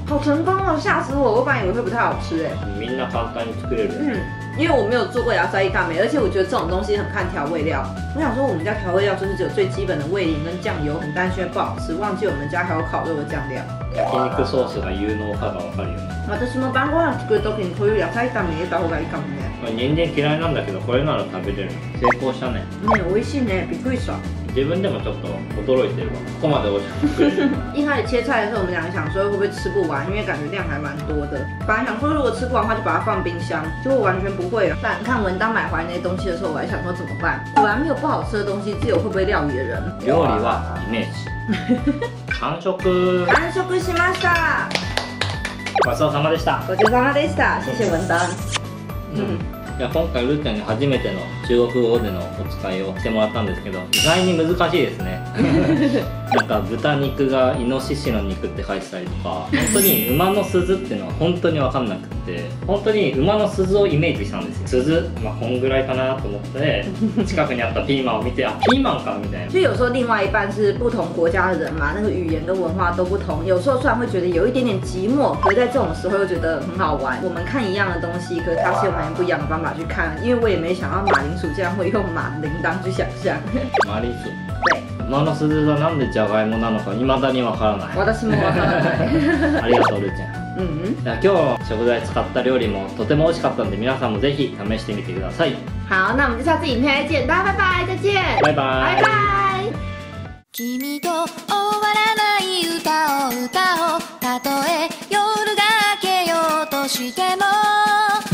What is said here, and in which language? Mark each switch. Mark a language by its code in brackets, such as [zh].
[zh] 好成功哦，吓死我！我本来以为会不太好吃哎。 [ja] みんな簡単に作れる。 [zh] 嗯，因为我没有做过野菜炒め，而且我觉得这种东西很看调味料。我想说，我们家调味料就是只有最基本的味淋跟酱油，很担心不好吃，忘记我们家还有烤肉的酱料。 [ja] 焼肉ソースが有能かがわかるよね。私も晩ご飯作るときにこういう野菜炒め入れた方がいいかもね。人間嫌いなんだけどこれなら食べれる。成功したね。ね、美味しいね。びっくりした。自分でもちょっと驚いてるわ。ここまで美味しく。 [zh] 一开始切菜的时候，我们两个想说会不会吃不完，因为感觉量还蛮多的。本来想说如果吃不完的话就把它放冰箱，结果完全不会了。但看文章买回来那些东西的时候，我还想说怎么办？果然没有不好吃的东西，只有会不会料理的人。 [ja] 料理はイメージ。完食。完食しました。ごちそうさまでした。ごちそうさまでした。 [zh] 谢谢文章。 [ja] いや今回ルーちゃんに初めての中国語でのお使いをしてもらったんですけど、意外に難しいですね。なんか豚肉がイノシシの肉って書いてたりとか、本当に馬の鈴っていうのは本当に分かんなくって、本当に馬の鈴をイメージしたんですよ。鈴、まあ、こんぐらいかなと思って近くにあったピーマンを見て、あ、ピーマンかみたいな。 [zh] 就有时候另外一半是不同国家的人嘛，那个语言跟文化都不同，有时候虽然会觉得有一点点寂寞，可是在这种时候又觉得很好玩。我们看一样的东西，可是它是有完全不一样的方法去看，因为我也没想到马铃薯竟然会用马铃铛去想象。马铃薯。对。 [ja] 馬の鈴がなんでジャガイモなのか未だにわからない。私もわからない。ありがとうルちゃん。じゃあ今日食材使った料理もとても美味しかったんで、皆さんもぜひ試してみてください。 [zh] 好，那我们就下次影片再见，大家拜拜，再见。拜拜。拜拜。 [ja] 君と終わらない歌を歌おう。たとえ夜が明けようとしても。